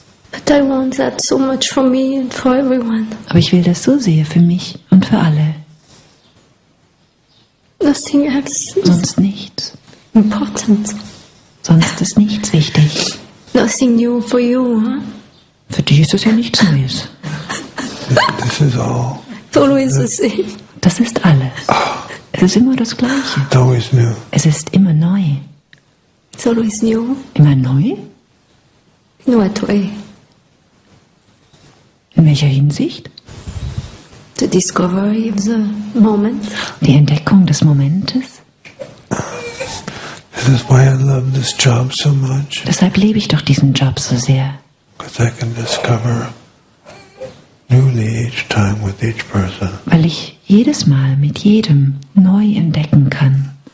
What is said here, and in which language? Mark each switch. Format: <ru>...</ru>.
<en>But I want that so much for me and for everyone.</en> <de>Aber ich will das so sehr für mich und für alle.</de> <en>Nothing else.</en> <de>Sonst nichts.</de> <en>Important.</en> <de>Sonst ist nichts wichtig.</de> <en>Nothing new for you, huh?</en> <de>Für dich ist das ja nichts Neues.</de> <en>This is all. It's always the same.</en> <de>Das ist alles. Es ist immer das Gleiche.</de> <en>It's always new.</en> <de>Es ist immer neu.</de> <en>It's always new.</en> <de>Immer neu?</de> <en>In what way?</en> <de>In welcher Hinsicht?</de> <en>The discovery of the moment.</en> <de>Die Entdeckung des Momentes.</de> <en>This is why I love this job so much.</en> <de>Deshalb liebe ich doch diesen Job so sehr.</de> <en>Because I can discover newly each time with each person.</en> <de>Weil ich jedes Mal mit jedem neu entdecken kann.</de>